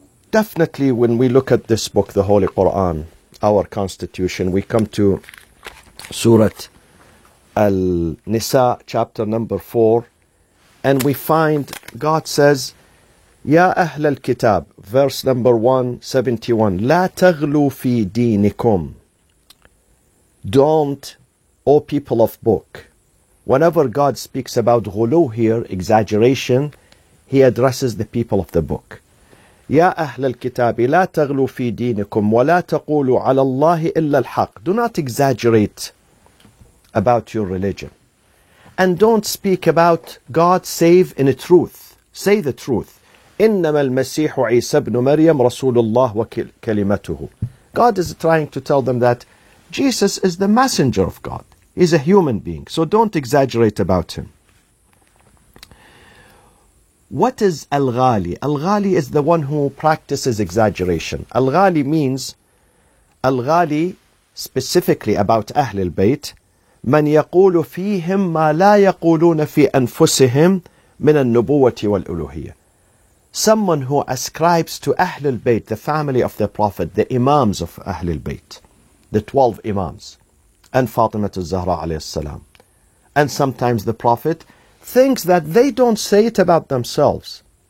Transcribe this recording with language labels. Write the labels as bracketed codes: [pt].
[en] Definitely, when we look at this book, the Holy Quran, our constitution, we come to Surah Al-Nisa, chapter number 4, and we find God says, [ar] Ya Ahl al-Kitab, [en] verse number 171, [ar] La taghlu fi dinikum. [en] Don't, O people of book. Whenever God speaks about ghulu here, exaggeration, he addresses the people of the book. [ar] يا أهل الكتاب لا تغلوا في دينكم ولا تقولوا على الله إلا الحق. [en] Do not exaggerate about your religion. And don't speak about God save in truth. Say the truth. [ar] إنما المسيح عيسى بن مريم رسول الله وكلمته. [en] God is trying to tell them that Jesus is the messenger of God. He's a human being. So don't exaggerate about him. What is al-ghali? Al-ghali is the one who practices exaggeration. Al-ghali means, al-ghali, specifically about Ahlul Bayt, [ar] من يقول فيهم ما لا يقولون في أنفسهم من النبوة والألوهية. [en] Someone who ascribes to Ahlul Bayt, the family of the Prophet, the Imams of Ahlul Bayt, the 12 Imams, and Fatima al-Zahra alayhi salam, and sometimes the Prophet, thinks that they don't say it about themselves.